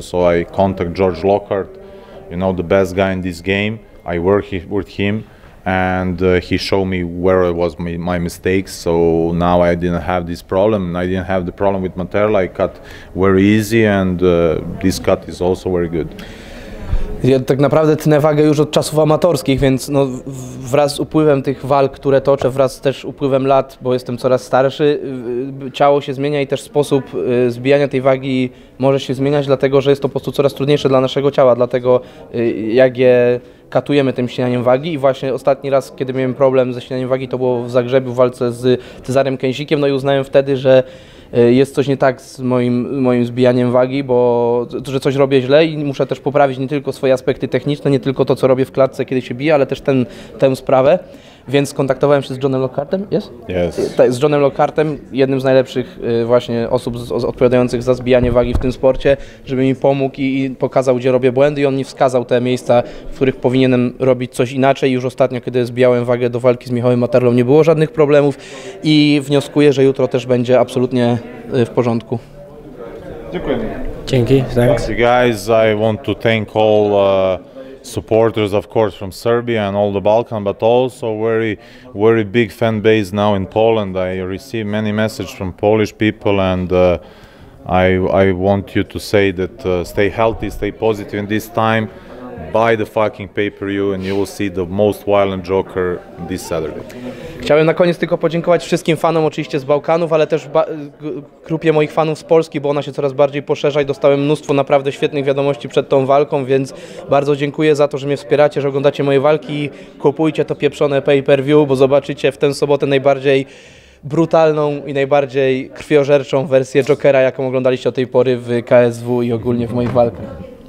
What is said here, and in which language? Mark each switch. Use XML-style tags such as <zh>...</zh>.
<en>So I contact George Lockhart, you know, the best guy in this game. I work with him and he showed me where it was my mistakes. So now I didn't have this problem. I didn't have the problem with Materla. I cut very easy and this cut is also very good.</en> <pl>Ja tak naprawdę tnę wagę już od czasów amatorskich, więc no wraz z upływem tych walk, które toczę, wraz też z upływem lat, bo jestem coraz starszy, ciało się zmienia i też sposób zbijania tej wagi może się zmieniać, dlatego że jest to po prostu coraz trudniejsze dla naszego ciała, dlatego jak je katujemy tym ścinaniem wagi i właśnie ostatni raz, kiedy miałem problem ze ścinaniem wagi, to było w Zagrzebiu w walce z Cezarem Kęsikiem, no i uznałem wtedy, że jest coś nie tak z moim zbijaniem wagi, bo że coś robię źle i muszę też poprawić nie tylko swoje aspekty techniczne, nie tylko to, co robię w klatce, kiedy się bije, ale też tę sprawę. Więc skontaktowałem się z Johnem Lockhartem, jest?</pl> <en>Yes.</en> <pl>Z Johnem Lockhartem, jednym z najlepszych właśnie osób odpowiadających za zbijanie wagi w tym sporcie, żeby mi pomógł i pokazał, gdzie robię błędy i on mi wskazał te miejsca, w których powinienem robić coś inaczej. Już ostatnio, kiedy zbijałem wagę do walki z Michałem Materlą, nie było żadnych problemów i wnioskuję, że jutro też będzie absolutnie w porządku. Dziękuję. Dzięki,</pl> <en>thanks. Thank you guys, I want to thank all supporters, of course, from Serbia and all the Balkan, but also very, very big fan base now in Poland. I receive many messages from Polish people, and I want you to say that stay healthy, stay positive in this time. Buy the fucking pay-per-view and you will see the most violent Joker this Saturday.</en> <pl>Chciałem na koniec tylko podziękować wszystkim fanom oczywiście z Bałkanów, ale też grupie moich fanów z Polski, bo ona się coraz bardziej poszerza i dostałem mnóstwo naprawdę świetnych wiadomości przed tą walką, więc bardzo dziękuję za to, że mnie wspieracie, że oglądacie moje walki i kupujcie to pieprzone pay-per-view, bo zobaczycie w tę sobotę najbardziej brutalną i najbardziej krwiożerczą wersję Jokera, jaką oglądaliście do tej pory w KSW i ogólnie w moich walkach.</pl>